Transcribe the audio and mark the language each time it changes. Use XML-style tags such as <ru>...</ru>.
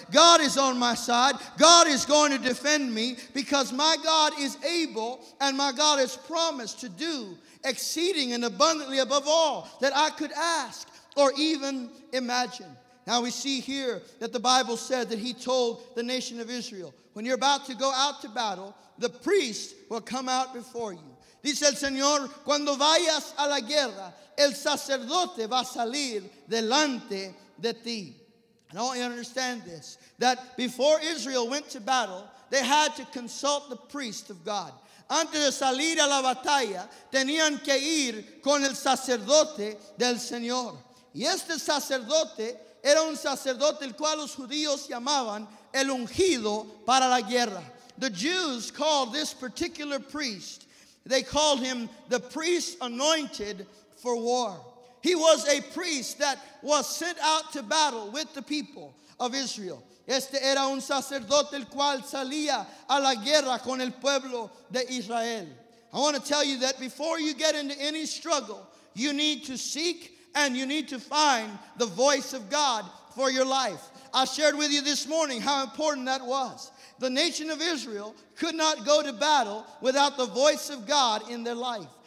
<en>God is on my side. God is going to defend me because my God is able and my God has promised to do exceeding and abundantly above all that I could ask or even imagine. Now we see here that the Bible said that he told the nation of Israel, when you're about to go out to battle, the priest will come out before you.</en> <es>Dice el Señor, cuando vayas a la guerra, el sacerdote va a salir delante de ti.</es> <en>And I want you to understand this, that before Israel went to battle, they had to consult the priest of God.</en> <es>Antes de salir a la batalla, tenían que ir con el sacerdote del Señor. Y este sacerdote era un sacerdote el cual los judíos llamaban el ungido para la guerra.</es> <en>The Jews called this particular priest, they called him the priest anointed for war. He was a priest that was sent out to battle with the people of Israel.</en> <es>Este era un sacerdote el cual salía a la guerra con el pueblo de Israel.</es> <en>I want to tell you that before you get into any struggle, you need to seek and you need to find the voice of God for your life. I shared with you this morning how important that was. The nation of Israel could not go to battle without the voice of God in their life.</en>